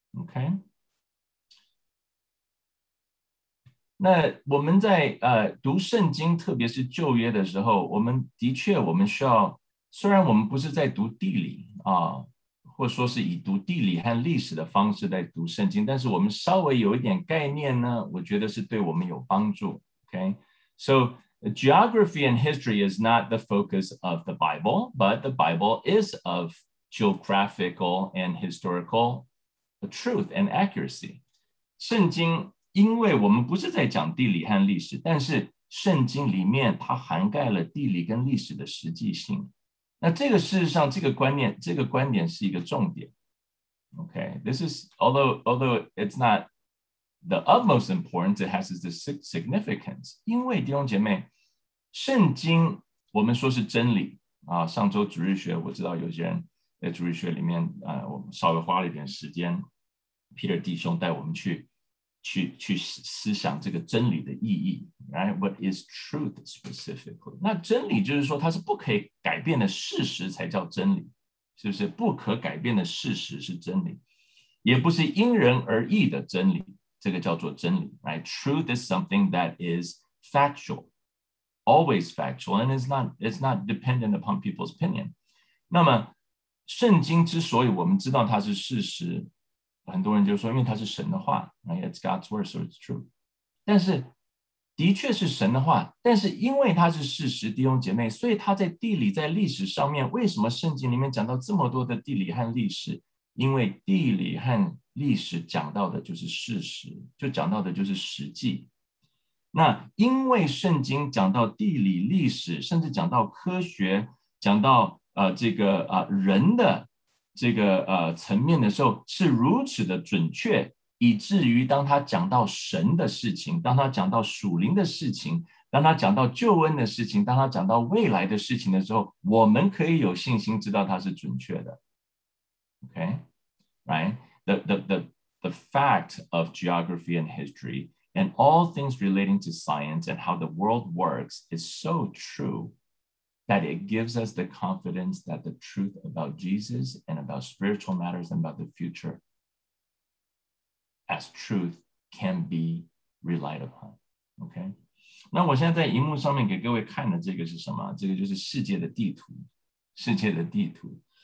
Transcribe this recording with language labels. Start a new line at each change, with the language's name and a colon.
Chinese: OK， 那我们在读圣经，特别是旧约的时候，我们的确我们需要，虽然我们不是在读地理或者说是以读地理和历史的方式在读圣经，但是我们稍微有一点概念呢，我觉得是对我们有帮助。
English: OK， so geography and history is not the focus of the Bible, but the Bible is of geographical and historical truth and accuracy.
Chinese: 圣经，因为我们不是在讲地理和历史，但是圣经里面它涵盖了地理跟历史的实际性。那这个事实上，这个观点是一个重点。
English: Okay, this is although it's not the utmost importance, it has its significance.
Chinese: 因为弟兄姐妹，圣经我们说是真理啊。上周主日学，我知道有些人在主日学里面我们稍微花了一点时间 ，Peter 弟兄带我们去思想这个真理的意义 ，
English: right? What is truth specifically?
Chinese: 那真理就是说它是不可以改变的事实才叫真理，是不是？不可改变的事实是真理，也不是因人而异的真理，这个叫做真理 ，
English: right? Truth is something that is factual, always factual, and it's not dependent upon people's opinion.
Chinese: 那么圣经之所以我们知道它是事实，很多人就说因为它是神的话
English: It's God's word, so it's true.
Chinese: 但是的确是神的话，但是因为它是事实，弟兄姐妹，所以它在地理在历史上面，为什么圣经里面讲到这么多的地理和历史？因为地理和历史讲到的就是事实，就讲到的就是实际。那因为圣经讲到地理历史，甚至讲到科学，讲到人的这个层面的时候是如此的准确，以至于当他讲到神的事情，当他讲到属灵的事情，当他讲到救恩的事情，当他讲到未来的事情的时候，我们可以有信心知道他是准确的。
English: OK, right? The fact of geography and history and all things relating to science and how the world works is so trueThat it gives us the confidence that the truth about Jesus and about spiritual matters and about the future as truth can be relied upon. Okay?
Chinese: 那我现在在荧幕上面给各位看的这个是什么？这个就是世界的地图，世界的地图。